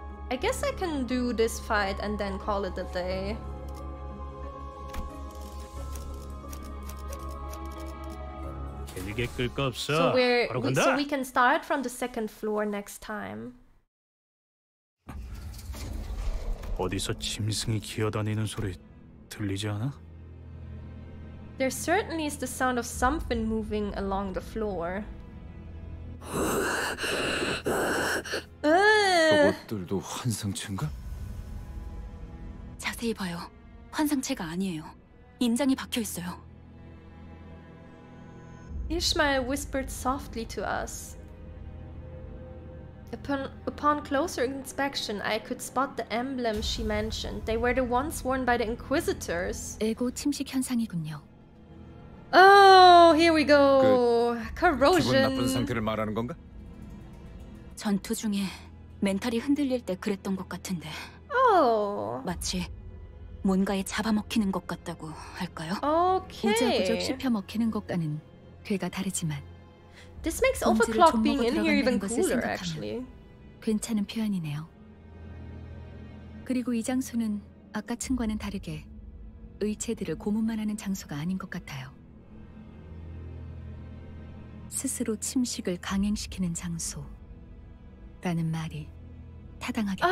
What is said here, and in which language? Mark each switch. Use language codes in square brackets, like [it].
[en] I guess I can do this fight and then call it a day. So we can start from the second floor next time. [ko] 어디서 짐승이 기어다니는 소리 들리지 않아? [en] There certainly is the sound of something moving along the floor. [ko] 저것들도 환상체인가? 자세히 봐요. 환상체가 아니에요. 인장이 박혀 있어요. [en] Ishmael whispered softly to us. Upon closer inspection, I could spot the emblem she mentioned. They were the ones worn by the Inquisitors. [ko] 에고 침식 현상이군요. [en] Oh, here we go. Corrosion. [ko] 기분 나쁜 상태를 말하는 건가? 전투 중에 멘탈이 흔들릴 때 그랬던 것 같은데. Oh. 마치 뭔가에 잡아먹히는 것 같다고 할까요? [en] Okay. [ko] 부적부적 씹혀먹히는 것과는 괴가 다르지만. [en] This makes Overclock being in here even cooler, actually. [ko] 괜찮은 표현이네요. 그리고 이 장소는 아까 층과는 다르게 의체들을 고문만 하는 장소가 아닌 것 같아요. 스스로 침식을 강행시키는 장소라는 말이 타당하겠군요.